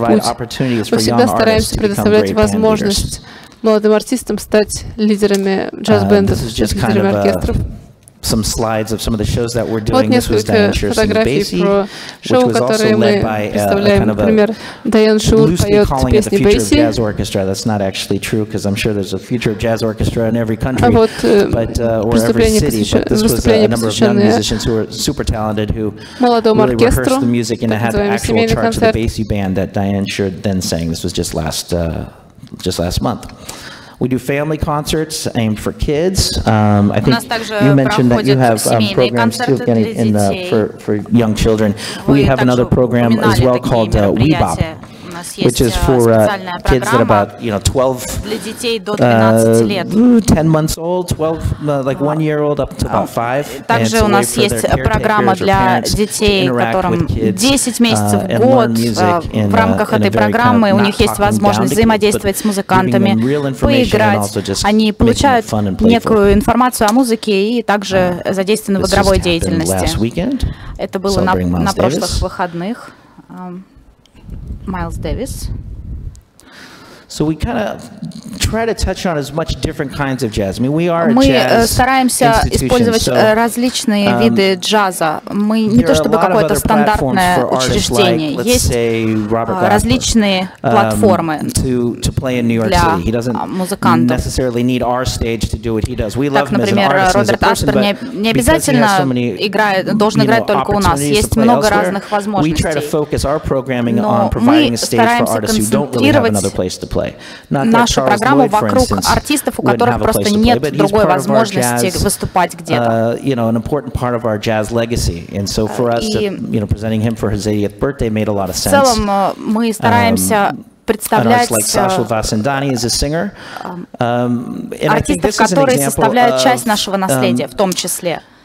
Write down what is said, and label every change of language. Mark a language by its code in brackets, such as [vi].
[ru] Мы всегда стараемся предоставлять возможность молодым артистам стать лидерами джаз-бендов, лидерами оркестров. [en] Some slides of some of the shows that we're doing. This was Diane Schur singing Basie, show, which was also led by kind of loosely calling it the future Basie. Of jazz orchestra. That's not actually true, because I'm sure there's a future of jazz orchestra in every country, or every city. But this was a number of young musicians who were super talented, who really rehearsed the music and had the actual charge of the Basie band that Diane Schur then sang. This was just last month. We do family concerts aimed for kids. I think you mentioned that you have programs too, Evgeny, for young children. We have another program as well called WeBop, which is for kids that are about, you know, 12, 10 months old, 12, like 1 year old up to about 5. [ru] Также у нас есть программа для детей, которым 10 месяцев в год. В рамках этой программы у них есть возможность взаимодействовать с музыкантами, поиграть. Они получают некую информацию о музыке и также задействованы в игровой деятельности. Это было на прошлых выходных. [en] Miles Davis. So we kind of try to touch on as much different kinds of jazz. I mean, we are a jazz institution. [ru] Мы стараемся использовать различные виды джаза. Мы не то чтобы какое-то стандартное учреждение. Есть различные платформы для музыкантов. [en] Necessarily need our stage to do what he does. We love him as an artist, as a person, but [ru] не обязательно должен играть только у нас. Есть много разных возможностей. [en] We try to focus our programming on providing a stage for artists who don't really have another place to play. [ru] Нашу программу вокруг артистов, у которых просто нет другой возможности выступать где-то. И в целом мы стараемся представлять артистов, которые составляют часть нашего наследия, в том числе.